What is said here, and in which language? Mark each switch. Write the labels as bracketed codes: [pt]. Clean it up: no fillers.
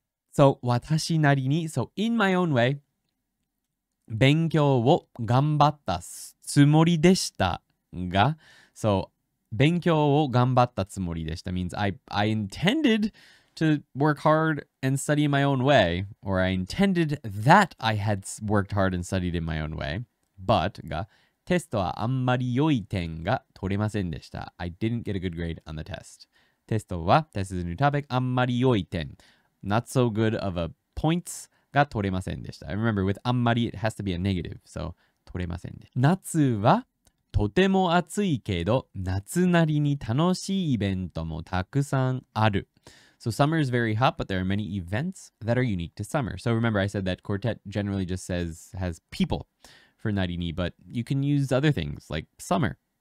[en] So, watashi nari ni, so in my own way, [ja] 勉強を頑張ったつもりでしたが, [en] so [ja] 勉強を頑張ったつもりでした [en] means I intended to work hard and study in my own way, or I intended that I had worked hard and studied in my own way, but が, [ja] テストはあんまり良い点が取れませんでした. [en] I didn't get a good grade on the test. [ja] テストは, [en] test is a new topic, [ja] あんまり良い点, [en] not so good of a points, [ja] が取れませんでした. [en] I remember with あんまり, it has to be a negative. [ja] So, 取れませんで。夏はとても暑いけど、夏なりに楽しいイベントもたくさんある. [en] So, summer is very hot, but there are many events that are unique to summer. So, remember I said that Quartet generally just says, has people for なりに, but you can use other things like summer.